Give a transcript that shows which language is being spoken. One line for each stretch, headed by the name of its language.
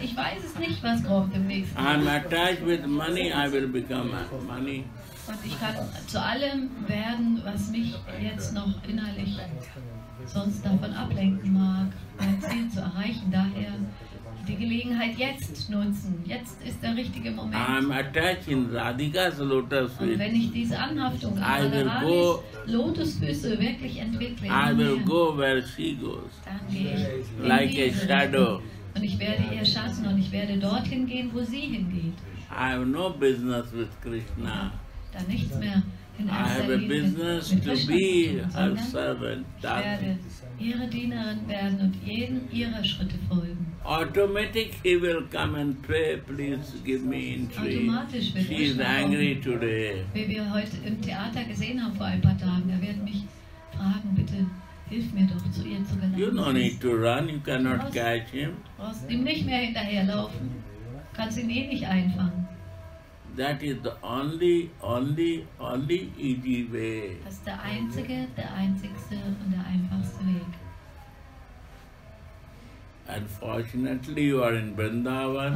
German: Ich weiß es nicht, was kommt im nächsten Leben.
English: I'm attached with money, I will become money.
German: Und ich kann zu allem werden, was mich jetzt noch innerlich sonst davon ablenken mag, mein Ziel zu erreichen. Daher die Gelegenheit jetzt nutzen. Jetzt ist der richtige Moment.
English: I'm attached in Radhika's lotus feet.
German: Und wenn ich diese Anhaftung an Radhika's Lotusfüße wirklich entwickle,
English: I will go where she goes.
German: Dann gehe ich
English: like a shadow.
German: Und ich werde ihr Schatten und ich werde dorthin gehen, wo sie hingeht.
English: I have no business with Krishna.
German: Da nichts mehr in
English: I have a business to be her servant.
German: Ich werde ihre Dienerin werden und jeden ihrer Schritte folgen.
English: Automatic he will come and pray, please give me entry.
German: Automatisch wird
English: she is angry today.
German: Wie wir heute im Theater gesehen haben vor ein paar Tagen, er wird mich fragen, bitte hilf mir doch zu ihr zu gelangen.
English: You don't need to run, you cannot catch him.
German: Du brauchst ihm nicht mehr hinterherlaufen, du kannst ihn eh nicht einfangen.
English: That is the only easy way.
German: Das ist der einzige, der einzigste und der einfachste Weg.
English: Unfortunately, you are in Vrindavan.